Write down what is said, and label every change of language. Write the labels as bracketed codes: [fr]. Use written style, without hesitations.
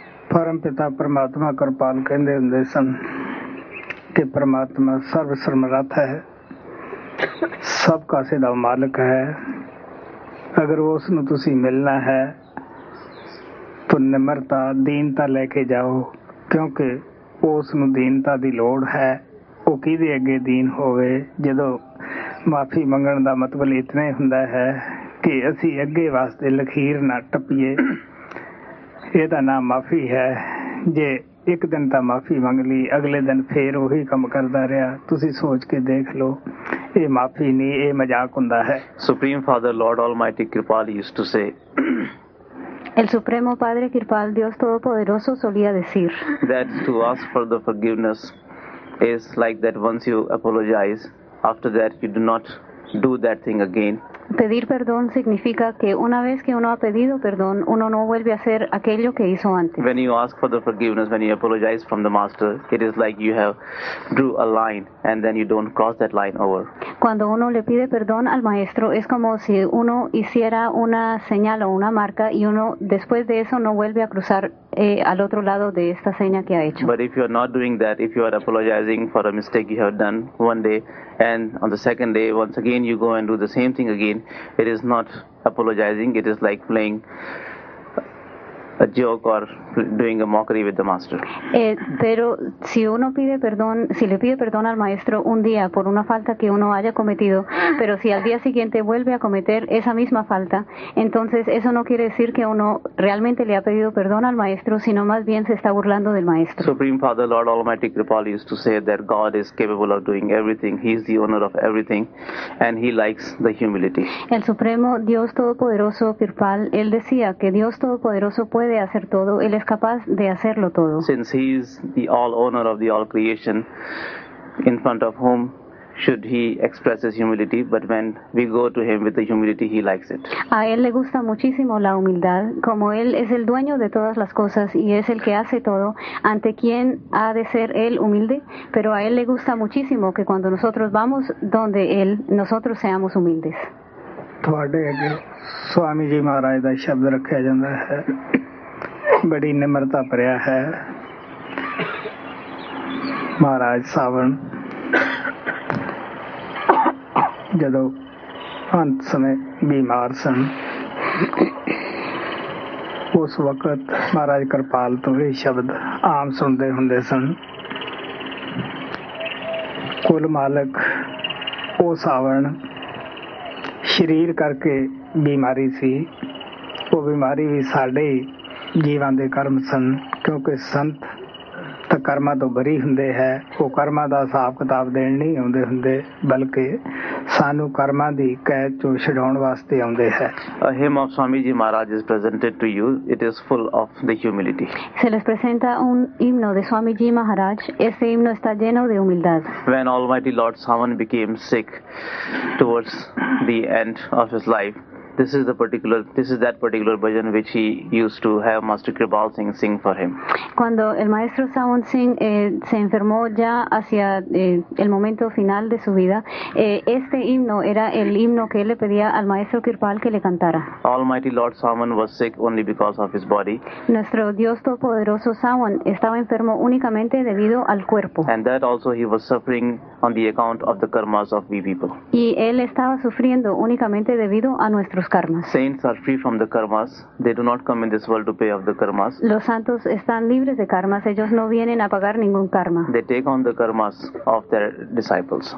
[pa] ਪਰਮ ਪਿਤਾ ਪਰਮਾਤਮਾ ਕਿਰਪਾਲ ਕਹਿੰਦੇ ਹੁੰਦੇ ਸਨ ਕਿ ਪਰਮਾਤਮਾ ਸਰਵ ਸਮਰੱਥ ਹੈ ਸਭ ਕਾਸੇ ਦਾ ਮਾਲਕ ਹੈ ਅਗਰ ਉਸ ਨੂੰ ਤੁਸੀਂ ਮਿਲਣਾ ਹੈ ਤਾਂ ਨਿਮਰਤਾ ਦੀਨਤਾ ਲੈ ਕੇ ਜਾਓ ਕਿਉਂਕਿ ਉਸ ਨੂੰ ਦੀਨਤਾ ਦੀ ਲੋੜ ਹੈ ਉਹ ਕਿਹਦੇ ਅੱਗੇ ਦੀਨ ਹੋਵੇ ਜਦੋਂ ਮਾਫ਼ੀ ਮੰਗਣ ਦਾ ਮਤਲਬ ਇਤਨਾ ਹੁੰਦਾ ਹੈ ਕਿ ਅਸੀਂ ਅੱਗੇ ਵਾਸਤੇ ਲਕੀਰ ਨਾ ਟੱਪੀਏ ਇਹਦਾ ਨਾਮ ਮਾਫ਼ੀ ਹੈ ਜੇ ਇੱਕ ਦਿਨ ਤਾਂ ਮਾਫ਼ੀ ਮੰਗ ਲਈ ਅਗਲੇ ਦਿਨ ਫਿਰ ਉਹੀ ਕੰਮ ਕਰਦਾ ਰਿਹਾ ਤੁਸੀਂ ਸੋਚ ਕੇ ਦੇਖ ਲਓ ਇਹ ਮਾਫ਼ੀ ਨਹੀਂ ਇਹ ਮਜ਼ਾਕ ਹੁੰਦਾ ਹੈ [en] Supreme Father Lord Almighty Kirpal use to say [es] El supremo padre Kirpal Dios Todopoderoso solía decir [en] that to ask for the forgiveness is like that once you apologize after that you do not do that thing again [es] Pedir perdón significa que una vez que uno ha pedido perdón, uno no vuelve a hacer aquello que hizo antes. [en] When you ask for the forgiveness, when you apologize from the master, it is like you have drew a line and then you don't cross that line over. [es] Cuando uno le pide perdón al maestro, es como si uno hiciera una señal o una marca y uno después de eso no vuelve a cruzar al otro lado de esta seña que ha hecho. [en] But if you are not doing that, if you are apologizing for a mistake you have done one day and on the second day once again you go and do the same thing again, it is not apologizing it is like playing a joke or doing a mockery with the master [es] pero si uno pide perdón si le pide perdón al maestro un día por una falta que uno haya cometido pero si al día siguiente vuelve a cometer esa misma falta entonces eso no quiere decir que uno realmente le ha pedido perdón al maestro sino más bien se está burlando del maestro [en] supreme father lord almighty kripal used to say that god is capable of doing everything he is the owner of everything and he likes the humility [es] el supremo dios todopoderoso kripal él decía que dios todopoderoso puede hacer todo él es capaz de hacerlo todo [en] since he is the all owner of the all creation in front of whom should he express his humility but when we go to him with the humility he likes it [es] a él le gusta muchísimo la humildad como él es el dueño de todas las cosas y es el que hace todo ante quién ha de ser él humilde pero a él le gusta muchísimo que cuando nosotros vamos donde él nosotros seamos humildes [pa] ਤੁਹਾਡੇ ਅੱਗੇ ਸਵਾਮੀ ਜੀ ਮਹਾਰਾਜ ਦਾ ਸ਼ਬਦ ਰੱਖਿਆ ਜਾਂਦਾ ਹੈ, ਬੜੀ ਨਿਮਰਤਾ ਭਰਿਆ ਹੈ। ਮਹਾਰਾਜ ਸਾਵਣ ਜਦੋਂ ਅੰਤ ਸਮੇਂ ਬਿਮਾਰ ਸਨ, ਉਸ ਵਕਤ ਮਹਾਰਾਜ ਕਿਰਪਾਲ ਤੋਂ ਇਹ ਸ਼ਬਦ ਆਮ ਸੁਣਦੇ ਹੁੰਦੇ ਸਨ। ਕੁੱਲ ਮਾਲਕ ਉਹ ਸਾਵਣ ਸਰੀਰ ਕਰਕੇ ਬਿਮਾਰੀ ਸੀ, ਉਹ ਬਿਮਾਰੀ ਵੀ ਸਾਡੇ ਜੀਵਾਂ ਦੇ ਕਰਮ ਸਨ, ਕਿਉਂਕਿ ਸੰਤ ਤਾਂ ਕਰਮਾਂ ਤੋਂ ਬਰੀ ਹੁੰਦੇ ਹੈ, ਉਹ ਕਰਮਾਂ ਦਾ ਹਿਸਾਬ ਕਿਤਾਬ ਦੇਣ ਨਹੀਂ ਆਉਂਦੇ ਹੁੰਦੇ, ਬਲਕਿ ਸਾਨੂੰ ਕਰਮਾਂ ਦੀ ਕੈਦ ਚੋਂ ਛਡਾਉਣ ਵਾਸਤੇ ਆਉਂਦੇ ਹੈ। [en] A hymn of Swami Ji Maharaj is presented to you. It is full of the humility. [es] Se les presenta un himno de Swami Ji Maharaj. Ese himno está lleno de humildad. [en] When Almighty Lord Savan became sick towards the end of his life, This is that particular bhajan which he used to have Master Kripal Singh sing for him. [es] Cuando el maestro Savan Singh se enfermó ya hacia el momento final de su vida, este himno era el himno que él le pedía al maestro Kripal que le cantara. [en] Almighty Lord Savan was sick only because of his body. [es] Nuestro Dios Todopoderoso Savan estaba enfermo únicamente debido al cuerpo. [en] And that also he was suffering on the account of the karmas of we people. [es] Y él estaba sufriendo únicamente debido a nuestros karmas. [en] Saints are free from the karmas. They do not come in this world to pay off the karmas. [es] Los santos están libres de karmas. Ellos no vienen a pagar ningún karma. [en] They take on the karmas of their disciples.